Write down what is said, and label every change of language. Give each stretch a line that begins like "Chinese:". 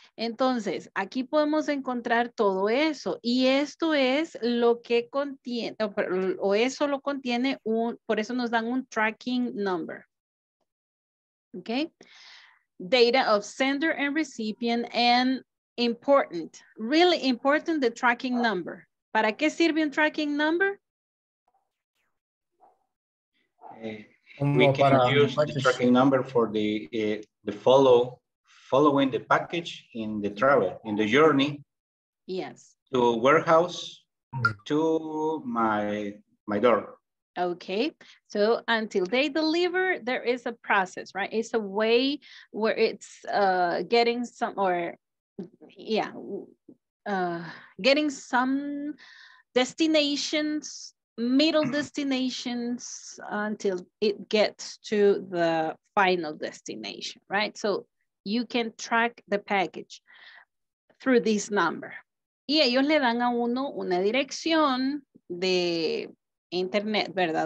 Spanish: Entonces, aquí podemos encontrar todo eso y esto es lo que contiene, o eso lo contiene un, por eso nos dan un tracking number, ¿ok?
English: Data of sender and recipient and important, really important, the tracking number.
Spanish: ¿Para qué sirve un tracking number?
English: We can use the tracking number for following the package in the travel, in the journey. Yes. To warehouse to my door. Okay, so until they deliver, there is a process, right? It's a way where it's getting some, or yeah, getting some destinations, middle destinations, until it gets to the final destination, right? So you can track the package through this number.
Spanish: Y ellos le dan a uno una dirección de internet, ¿verdad?